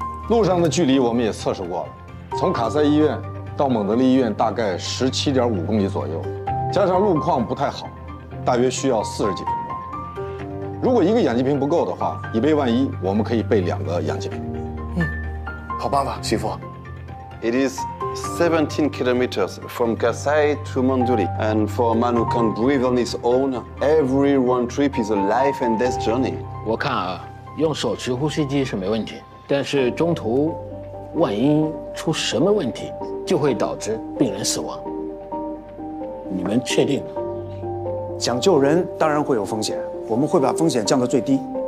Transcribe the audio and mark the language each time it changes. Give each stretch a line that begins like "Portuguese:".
Chinese: 路上的距离我们也测试过了，从卡塞医院到蒙德利医院大概17.5公里左右，加上路况不太好，大约需要40几分钟。如果一个氧气瓶不够的话，以备万一，我们可以备2个氧气瓶。嗯，好办法，媳妇。
English: It is 17 kilometers from Kasai to Manduli, and for a man who can breathe on his own, every one trip is a life and death journey.
Chinese: 我看啊，用手持呼吸机是没问题，但是中途万一出什么问题，就会导致病人死亡。你们确定？想救人当然会有风险，我们会把风险降到最低。